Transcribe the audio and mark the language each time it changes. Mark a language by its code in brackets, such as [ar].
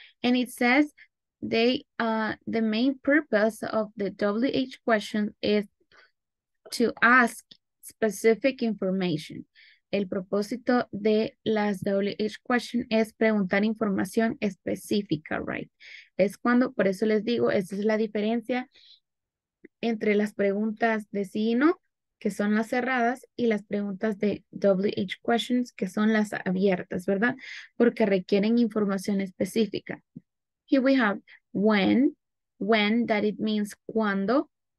[en] And it says the main purpose of the WH question is to ask specific information. [es] El propósito de las WH question es preguntar información específica, right? Es cuando, por eso les digo, esa es la diferencia entre las preguntas de sí y no, que son las cerradas, y las preguntas de WH questions, que son las abiertas, ¿verdad? Porque requieren información específica. [en] Here we have when, that it means cuando.